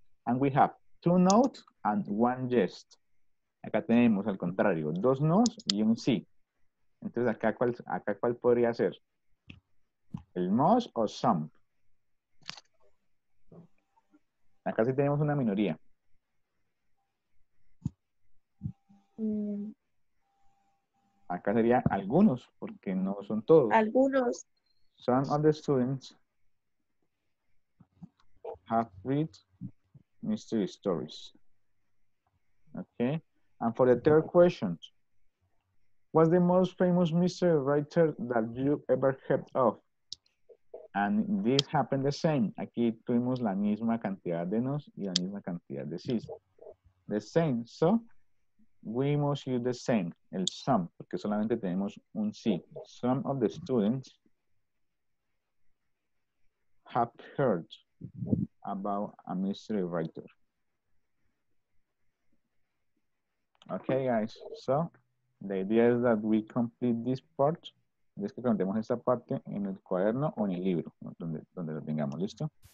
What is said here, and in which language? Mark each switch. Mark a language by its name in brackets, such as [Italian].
[English] And we have two no's and one yes. [Spanish] Acá tenemos al contrario, dos no's y un sí. Entonces, acá cuál podría ser? ¿El most o some? Acá sí tenemos una minoría. Acá sería algunos, porque no son todos. Algunos. [English] Some of the students have read mystery stories. Okay. And for the third question, what's the most famous mystery writer that you ever heard of? And this happened the same. [Spanish] Aquí tuvimos la misma cantidad de nos y la misma cantidad de sí. [English] The same. So, we must use the same, el some, [Spanish] porque solamente tenemos un sí. [English] Some of the students have heard about a mystery writer. Okay, guys. So, the idea is that we complete this part. [Spanish] Es que contemos esta parte en el cuaderno o en el libro, donde lo tengamos, ¿listo?